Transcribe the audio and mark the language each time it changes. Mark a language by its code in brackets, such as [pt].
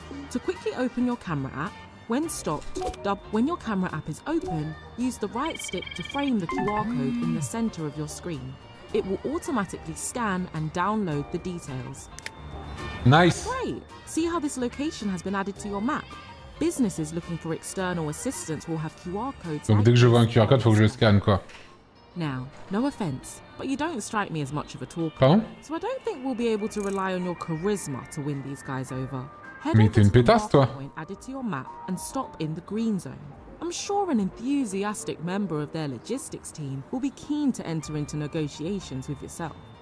[en] To quickly open your camera app, when stopped, when your camera app is open, use the right stick to frame the QR code in the center of your screen. It will automatically scan and download the details. Nice. Great. See how this location has been added to your map. Businesses looking for external assistance will have QR codes. [fr] Donc dès que je vois un QR code, faut que je scanne quoi. [en] Now, no offense, but you don't strike me as much of a talker. [fr] Pardon? [en] So I don't think we'll be able to rely on your charisma to win these guys over. [fr] Head Mais t'es une pétasse toi. [en] Point added to your map and stop in the green zone. I'm sure an enthusiastic member of their logistics team will be keen to enter into negotiations with yourself.